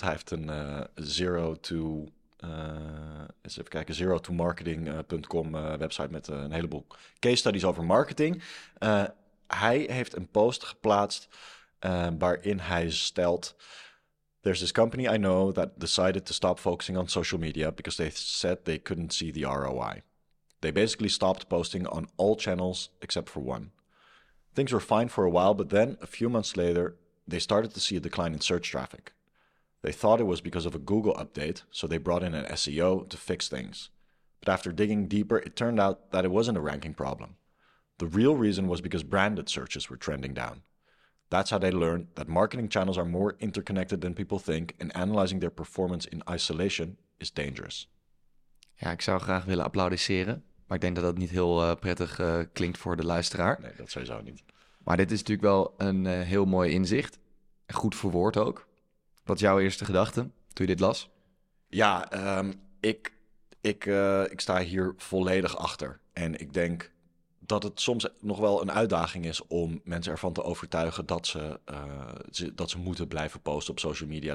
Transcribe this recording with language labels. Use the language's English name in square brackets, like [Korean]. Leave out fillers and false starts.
[Dutch] Hij heeft een zero to marketing.com website met een heleboel case studies over marketing. Hij heeft een post geplaatst waarin hij stelt: [English] "There's this company I know that decided to stop focusing on social media because they said they couldn't see the ROI. They basically stopped posting on all channels except for one. Things were fine for a while, but then a few months later, they started to see a decline in search traffic. They thought it was because of a Google update, so they brought in an SEO to fix things. But after digging deeper, it turned out that it wasn't a ranking problem. The real reason was because branded searches were trending down. That's how they learned that marketing channels are more interconnected than people think, and analyzing their performance in isolation is dangerous." [Dutch] Ja, ik zou graag willen applaudisseren, maar ik denk dat dat niet heel prettig klinkt voor de luisteraar. Nee, dat sowieso niet. Maar dit is natuurlijk wel een heel mooi inzicht, goed verwoord ook. Wat is jouw eerste gedachte toen je dit las? Ja, ik sta hier volledig achter en ik denk dat het soms nog wel een uitdaging is om mensen ervan te overtuigen dat ze moeten blijven posten op social media.